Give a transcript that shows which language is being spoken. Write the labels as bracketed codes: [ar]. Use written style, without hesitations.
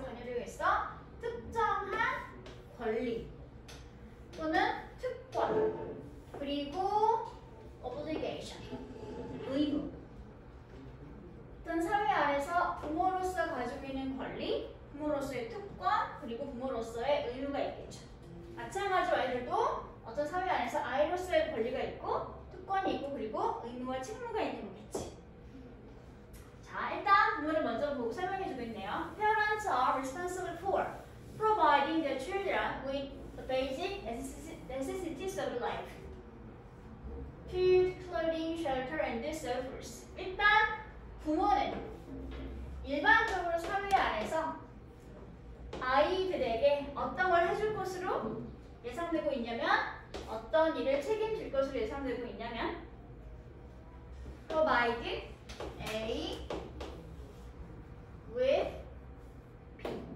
[ko] 관여되어 있어? 특정한 권리 또는 특권 그리고 obligation 의무 어떤 사회 안에서 부모로서 가지고 있는 권리 부모로서의 특권 그리고 부모로서의 의무가 있겠죠. 마찬가지로 아이들도 어떤 사회 안에서 아이로서의 권리가 있고 특권이 있고 그리고 의무와 책무가 있는 거겠지. 자, 일단 부모를 먼저 보고 설명해 주겠네요. [en] Parents are responsible for providing their children with the basic necessities of life. Food, clothing, shelter, and so forth. [ko] 일단 부모는 일반적으로 사회 안에서 아이들에게 어떤 걸 해줄 것으로 예상되고 있냐면 어떤 일을 책임질 것으로 예상되고 있냐면 [en] provide A with B.